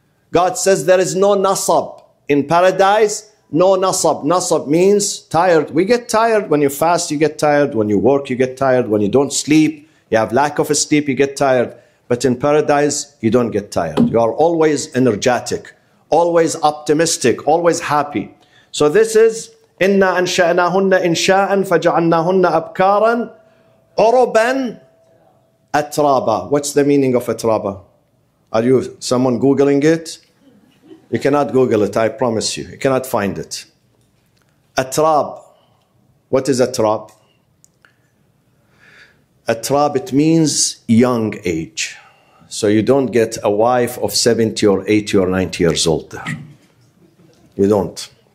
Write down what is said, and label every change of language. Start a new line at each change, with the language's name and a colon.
English: God says there is no nasab. In paradise, no nasab. Nasab means tired. We get tired. When you fast, you get tired. When you work, you get tired. When you don't sleep, you have lack of sleep, you get tired. But in paradise, you don't get tired. You are always energetic, always optimistic, always happy. So this is,
Arabic: إِنَّا أَنْشَأْنَاهُنَّ إِنْشَاءً فَجَعَلْنَاهُنَّ أَبْكَارًا أُرُبًا أَتْرَابًا.
English: What's the meaning of أَتْرَابًا? Are you someone Googling it? You cannot Google it, I promise you. You cannot find it. أَتْرَاب. What is أَتْرَاب? أَتْرَاب, it means young age. So you don't get a wife of 70 or 80 or 90 years old there. You don't.